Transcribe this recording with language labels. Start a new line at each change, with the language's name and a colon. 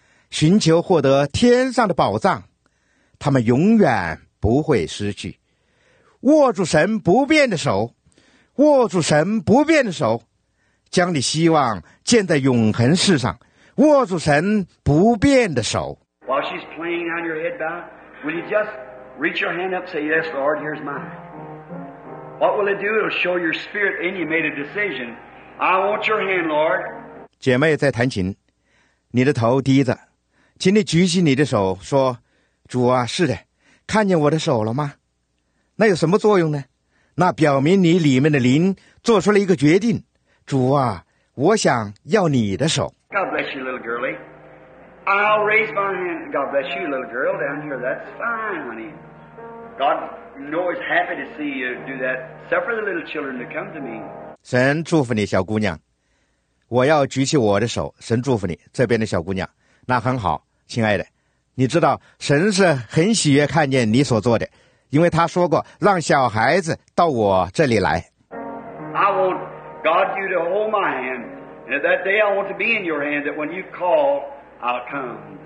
Chinese: 寻求获得天上的宝藏，他们永远不会失去。握住神不变的手，握住神不变的手，将你希望建在永恒世上。握住神不变的手。
English: While she's playing on your head bow, will you just reach your hand up and say, Yes, Lord, here's mine. What will it do? It'll show your spirit in you made a decision. I want your hand, Lord.
Chinese: 姐妹在弹琴，你的头低着，请你举起你的手说，主啊，是的，看见我的手了吗？那有什么作用呢？那表明你里面的灵做出了一个决定，主啊，我想要你的手。
English: God bless you, little girlie. I'll raise my hand. God bless you, little girl down here. That's fine, honey. God knows happy to see you do that. Suffer the little children to come to me.
Chinese: 神祝福你，小姑娘。我要举起我的手。神祝福你，这边的小姑娘。那很好，亲爱的。你知道神是很喜悦看见你所做的，因为他说过让小孩子到我这里来。
English: I want God you to hold my hand. And that day I want to be in your hand that when you call, I'll come.